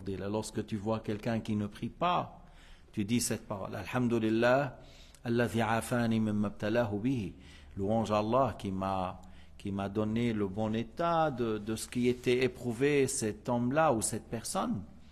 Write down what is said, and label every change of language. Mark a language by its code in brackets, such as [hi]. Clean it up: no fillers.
[fr] Lorsque tu vois quelqu'un qui ne prie pas, tu dis cette parole. Alhamdulillah, [ar] الذي عافاني مما ابتلاه به. [fr] Louange à Allah qui m'a donné le bon état de ce qui était éprouvé, cet homme-là ou cette personne.